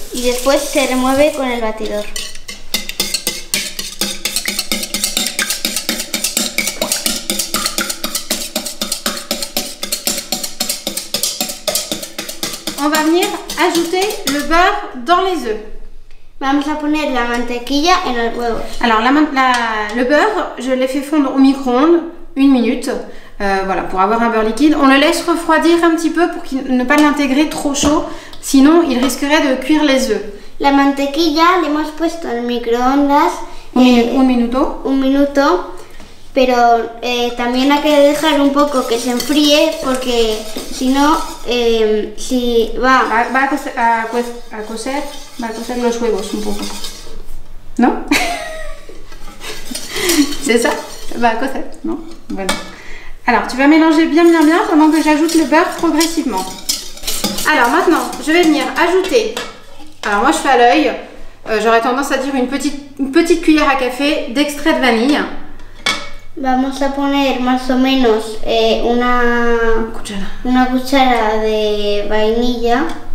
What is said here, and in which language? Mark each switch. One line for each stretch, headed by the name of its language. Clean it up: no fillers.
Spanish: Y después se remueve con el batidor.
French: On va venir ajouter le beurre dans les œufs.
Spanish: Vamos a poner la mantequilla en los huevos.
French: Alors, le beurre, je l'ai fait fondre au micro-ondes une minute, voilà, pour avoir un beurre liquide. On le laisse refroidir un petit peu pour ne pas l'intégrer trop chaud, sinon il risquerait de cuire les œufs.
Spanish: La mantequilla la hemos puesto en el microondas. Un minuto. Pero también hay que dejar un poco que se enfríe porque si no, si va... Va a cocer los huevos un poco. ¿No? ¿Es eso? Va a cocer, ¿no? Bueno.
French: Alors, tu vas mélanger bien, bien, bien pendant que j'ajoute le beurre progressivement. Alors, maintenant, je vais venir ajouter... Alors, moi, je fais à l'œil. J'aurais tendance à dire une petite cuillère à café d'extrait de vanille.
Spanish: Vamos a poner más o menos una cuchara de vainilla.